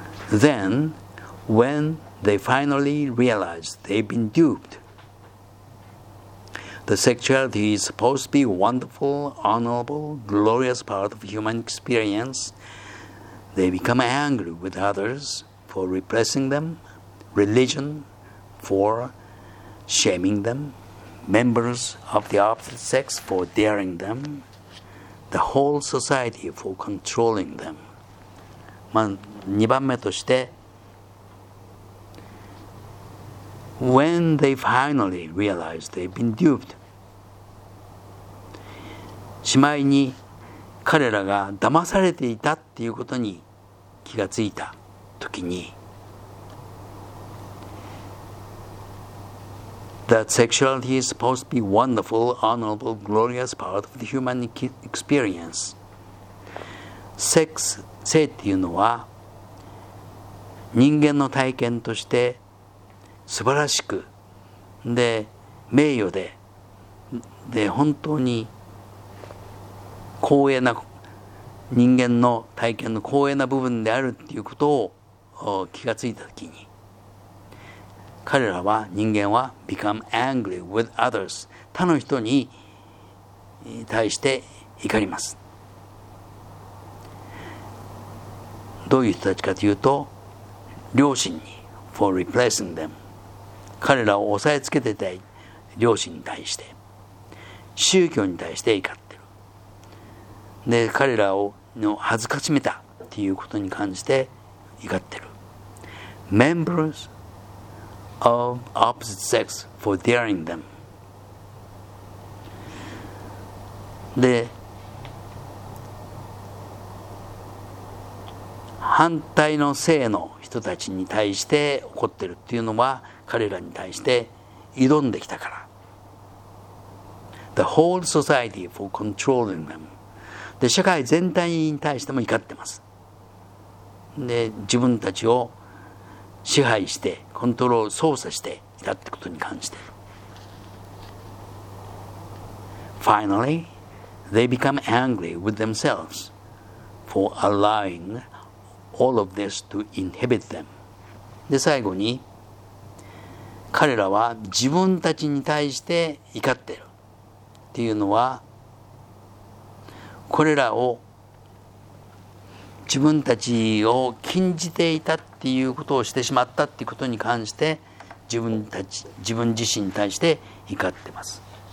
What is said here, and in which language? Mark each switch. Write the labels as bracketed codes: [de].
[en] Then when they finally realize they've been duped, the sexuality is supposed to be wonderful, honorable, glorious part of human experience, they become angry with others for repressing them, religion for shaming them, members of the opposite sex for daring them, the whole society for controlling them. [ja] まあ、2番目として、 [en] When they finally realize they've been duped, [ja] しまいに彼らが騙されていたっていうことに気がついた時に、 [en] That sexuality is supposed to be wonderful, honorable, glorious part of the human experience. [ja] Sex、性っていうのは人間の体験として素晴らしく、で、名誉で、で、本当に光栄な、人間の体験の光栄な部分であるっていうことを気がついたときに、彼らは、人間は [en] become angry with others、 [ja] 他の人に対して怒ります。どういう人たちかというと、両親に [en] for replacing them、 [ja] 彼らを押さえつけてた両親に対して、宗教に対して怒ってる、で、彼らをの恥ずかしめたっていうことに関して怒ってる、 [en] membersOf opposite sex for daring them. [ja] で、反対の性の人たちに対して怒ってるっていうのは、彼らに対して挑んできたから。 [en] The whole society for controlling them. [ja] で、社会全体に対しても怒ってます。で、自分たちを支配して、コントロール、操作していたってことに関して。 [en] Finally, they become angry with themselves for allowing all of this to inhibit them. [ja] で、最後に、彼らは自分たちに対して怒ってるっていうのは、これらを自分たちを禁じていたっていうことをしてしまったっていうことに関して、自分たち、自分自身に対して怒ってます。